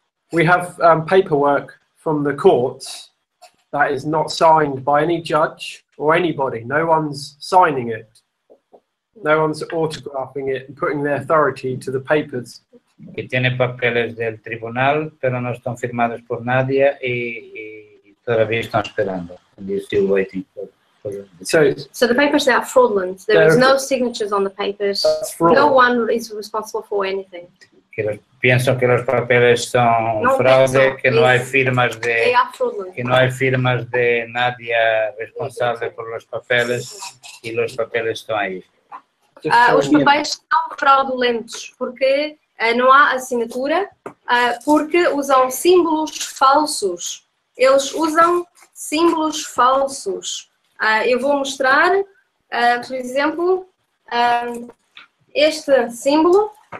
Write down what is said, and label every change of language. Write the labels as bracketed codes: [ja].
[en] We have paperwork from the courts that is not signed by any judge or anybody. No one's signing it. No one's autographing it and putting their authority to the papers. [es] Que tiene papeles del tribunal, pero no están firmados por nadie y todavía están esperando. [en] And you're still waiting for. So the papers are fraudulent. There is no signatures on the papers. No one is responsible for anything. [es] Pienso que los papeles son fraude, que no hay firmas de nadie responsable por los papeles y los papeles están ahí. [pt] Os papéis são fraudulentos porque não há assinatura, porque usam símbolos falsos. Eles usam símbolos falsos. Eu vou mostrar, por exemplo, este símbolo.